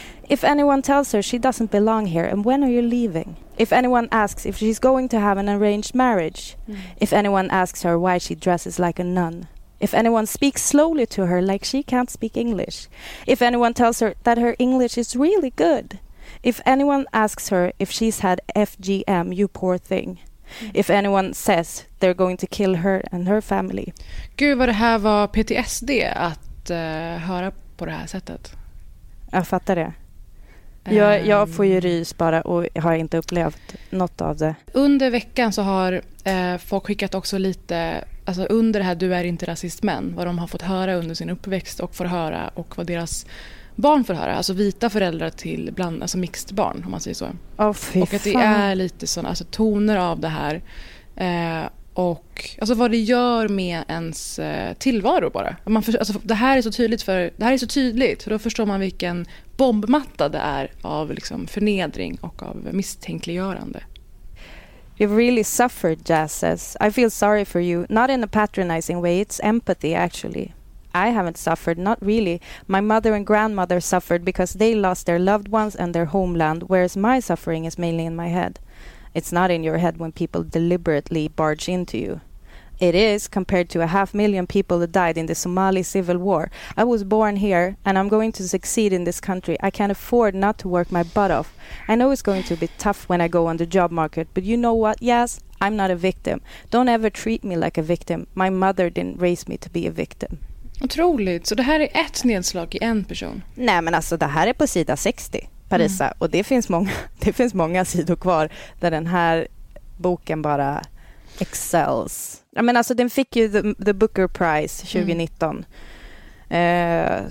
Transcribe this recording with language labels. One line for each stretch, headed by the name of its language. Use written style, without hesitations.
English: if anyone tells her she doesn't belong here and when are you leaving, if anyone asks if she's going to have an arranged marriage, if anyone asks her why she dresses like a nun, if anyone speaks slowly to her like she can't speak English, if anyone tells her that her English is really good, if anyone asks her if she's had FGM, you poor thing, if anyone says they're going to kill her and her family.
Swedish: Gud vad det här var PTSD att höra på det här sättet. Jag fattar det. Jag får ju rys bara och har inte upplevt något av det. Under veckan så har folk skickat också lite alltså under det här du är inte rasist men, vad de har fått höra under sin uppväxt och får höra, och vad deras barn får höra, alltså vita föräldrar till bland, alltså mixed barn om man säger så. Och att det är lite sån, alltså toner av det här, och alltså vad det gör med ens tillvaro bara. Man för, alltså det här är så tydligt, för det här är så tydligt, för då förstår man vilken bombmatta det är av liksom förnedring och av misstänkliggörande.
English: You really suffered, Jazz says. I feel sorry for you. Not in a patronizing way, it's empathy actually. I haven't suffered, not really. My mother and grandmother suffered because they lost their loved ones and their homeland, whereas my suffering is mainly in my head. It's not in your head when people deliberately barge into you. It is compared to 500,000 people that died in the Somali civil war. I was born here and I'm going to succeed in this country. I can't afford not to work my butt off. I know it's going to be tough when I go on the job market, but you know what? Yes, I'm not a victim. Don't ever treat me like a victim. My mother didn't raise me to be a victim.
Swedish: Otroligt. Så det här är ett nedslag i en person. Nej, men alltså det här är på sida 60, Parisa. Mm. Och det finns många sidor kvar där den här boken bara excels. Ja, men alltså den fick ju the Booker Prize 2019. Mm.